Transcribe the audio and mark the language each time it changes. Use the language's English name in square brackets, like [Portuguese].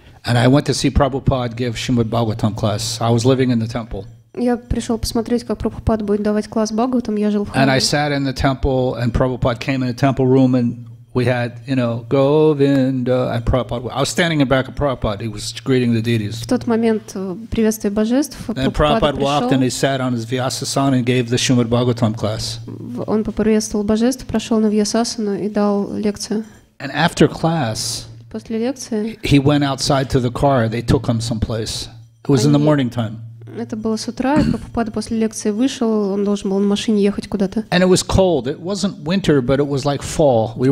[English] And I went to see Prabhupada give Shrimad Bhagavatam class. I was living in the temple. [Russian] Я пришел посмотреть, как Прабхупад будет давать класс Бхагаватам. Я жил в храме. [English] And I sat in the temple, and Prabhupada came in the temple room, and we had, you know, Govinda and Prabhupada. I was standing in back of Prabhupada. He was greeting the deities. [Russian] В тот момент приветствие божеств. [English] And Prabhupada walked and he sat on his Vyasasana and gave the Shrimad Bhagavatam class. [Russian] Он поприветствовал божеств, прошел на Вьясасану и дал лекцию. [English] And after class, [Russian] после лекции, [English] he went outside to the car. They took him someplace. It was in the morning time. [Russian] Это было с утра, Прабхупада после лекции вышел, он должен был на машине ехать куда-то. [English] And it was cold. It wasn't winter, but it was like fall.